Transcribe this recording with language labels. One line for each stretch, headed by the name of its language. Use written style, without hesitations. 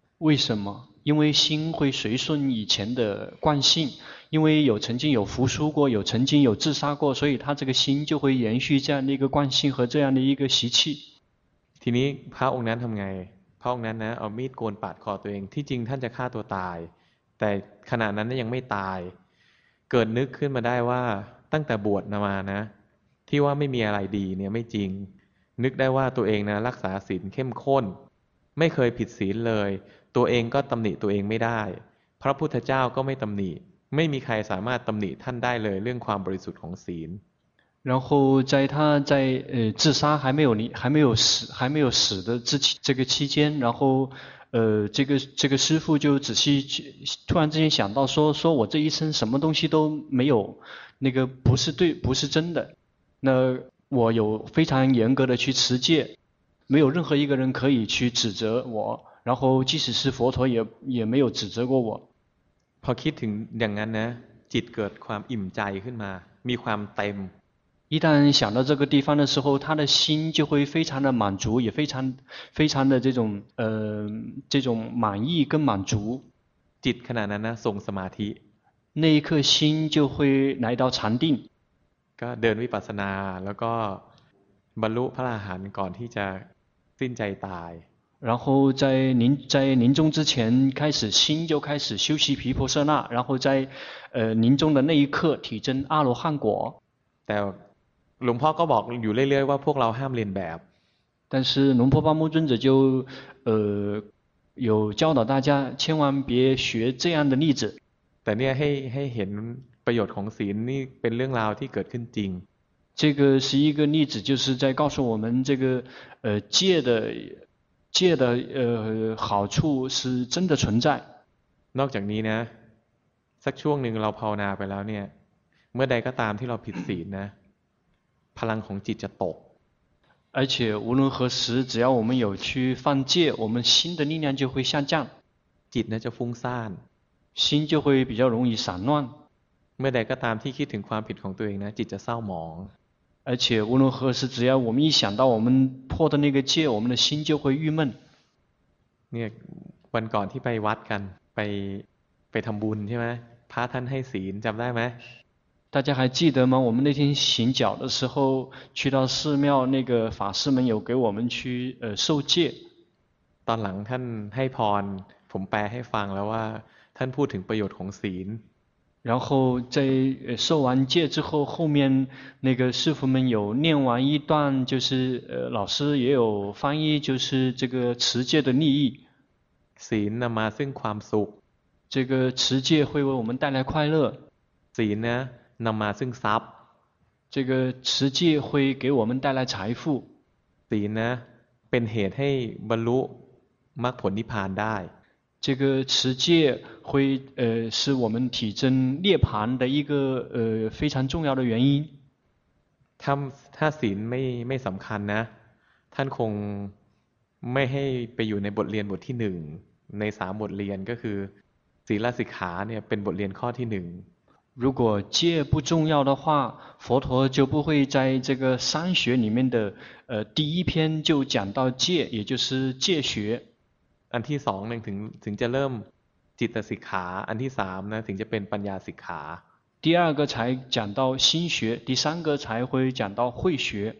Chinese: 为什么因为心会随顺以前的惯性因为有曾经有服输过有曾经有自杀过所以他这个心就会延续这样的一个惯性和这样的一个习气
Thai: ทีนี้พระองค์นั้นทำไงพระองค์นั้นนะเอามีดโกนปาดคอตัวเองที่จริงท่านจะฆ่าตัวตายแต่ขณะนั้นยังไม่ตายเกิดนึกขึ้นมาได้ว่าตั้งแต่บวชมานะที่ว่าไม่มีอะไรดีเนี่ยไม่จริงนึกได้ว่าตัวเองนะรักษาศีลเข้มข้นไม่เคยผิดศีลเลยตัวเองก็ตำหนิตัวเองไม่ได้พระพุทธเจ้าก็ไม่ตำหนิไม่มีใครสามารถตำหนิท่านได้เลยเรื่องความบริสุทธิ์ของศีล
Chinese: 然后在他在自杀还没有死的这个期间然后这个师父就仔细突然之间想到说我这一生什么东西都没有那个不是对不是真的那我有非常严格的去持戒没有任何一个人可以去指责我然后即使是佛陀也没有指责过我
Thai: พอคิดถึงอย่างนั้นนะจิตเกิดความอิ่มใจขึ้นมามีความเต็ม
Chinese: 一旦想到这个地方的时候他的心就会非常的满足也非常的这种满意跟满足
Thai: จิตขณะนั้นนะส่งสมาธิ
Chinese: 那一刻心就会来到禅定
Thai: ก็เดินวิปัสสนาแล้วก็บรรลุพระอรหันต์ก่อนที่จะสิ้นใจตาย
Chinese: 然后在临终之前开始心就开始修习毗婆舍那然后在临终的那一刻体证阿罗汉果
Thai: แต่หลวงพ่อก็บอกอยู่เรื่อยๆว่าพวกเราห้ามเรียนแบบ
Chinese: 但是龙婆巴木尊者就有教导大家千万别学这样的例子
Thai: แต่เนี่ยให้เห็นประโยชน์ของศีลนี่เป็นเรื่องราวที่เกิดขึ้นจริง
Chinese: 这个是一个例子就是在告诉我们这个戒的好处是真的存在
Thai: นอกจากนี้นะ สักช่วงหนึ่งเราภาวนาไปแล้วเนี่ยเมื่อใดก็ตามที่เราผิดศีลนะพลังของจิตจะตก
Chinese: 而且无论何时只要我们有去犯戒我们心的力量就会下降
Thai: จิตนะจะฟุ้งซ่าน
Chinese: 心就会比较容易散乱
Thai: เมื่อใดก็ตามที่คิดถึงความผิดของตัวเองนะจิตจะเศร้าหมอง
Chinese: 而且无论何时只要我们一想到我们破的那个戒我们的心就会郁闷
Thai: เนี่ยวันก่อนที่ไปวัดกันไปทำบุญใช่ไหมพระท่านให้ศีลจำได้ไหม
Chinese: 大家还记得吗我们那天行脚的时候去到寺庙那个法师们有给我们去受戒
Thai: ตอนหลังท่านให้พรผมแปลให้ฟังแล้วว่าท่านพูดถึงประโยชน์ของศีล
Chinese: 然后在受完戒之后后面那个师父们有念完一段就是老师也有翻译就是这个持戒的利益
Thai: ศีลนำมาซึ่งความสุข
Chinese: 这个持戒会为我们带来快乐
Thai: ศีลนะนำมาซึ่งทรัพย์
Chinese: 这个持戒会给我们带来财富
Thai: ศีลนะเป็นเหตุให้บรรลุมรรคผลนิพพานได้
Chinese: 这个持戒会是我们体证涅槃的一个非常重要的原因
Thai: ถ้าศีลไม่สำคัญนะท่านคงไม่ให้ไปอยู่ในบทเรียนบทที่หนึ่งในสามบทเรียนก็คือศีลสิกขาเนี่ยเป็นบทเรียนข้อที่หนึ่ง
Chinese: 如果戒不重要的话佛陀就不会在这个三学里面的第一篇就讲到戒也就是戒学
Thai: อันที่สองถึงจะเริ่มจิตสิกขาอันที่สามนะถึงจะเป็นปัญญาสิกขา
Chinese: 第二个才讲到心学第三个才会讲到慧学